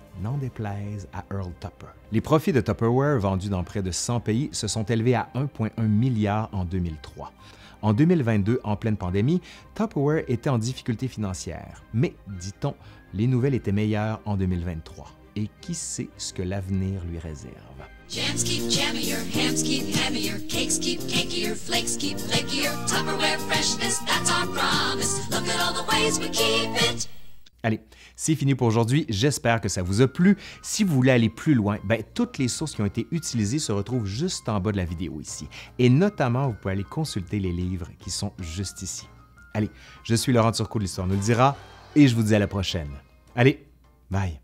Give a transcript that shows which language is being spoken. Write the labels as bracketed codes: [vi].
[fr] N'en déplaise à Earl Tupper. Les profits de Tupperware, vendus dans près de 100 pays, se sont élevés à 1,1 milliard en 2003. En 2022, en pleine pandémie, Tupperware était en difficulté financière. Mais, dit-on, les nouvelles étaient meilleures en 2023. Et qui sait ce que l'avenir lui réserve? [en] Jams keep jammier, hams keep hammier, cakes keep cakier, flakes keep flakier, Tupperware freshness, that's our promise. Look at all the ways we keep it. [fr] Allez, c'est fini pour aujourd'hui. J'espère que ça vous a plu. Si vous voulez aller plus loin, ben, toutes les sources qui ont été utilisées se retrouvent juste en bas de la vidéo ici. Et notamment, vous pouvez aller consulter les livres qui sont juste ici. Allez, je suis Laurent Turcot de L'Histoire nous le dira et je vous dis à la prochaine. Allez, bye!